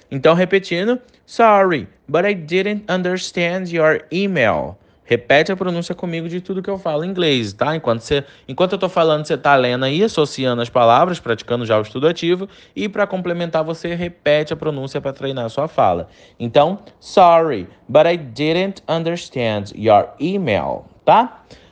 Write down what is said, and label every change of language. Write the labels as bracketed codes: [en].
[pt] Então, repetindo, [en] sorry, but I didn't understand your email. [pt] Repete a pronúncia comigo de tudo que eu falo em inglês, tá? Enquanto eu tô falando, você tá lendo aí, associando as palavras, praticando já o estudo ativo. E para complementar, você repete a pronúncia para treinar a sua fala. [en] Então, sorry, but I didn't understand your email, tá?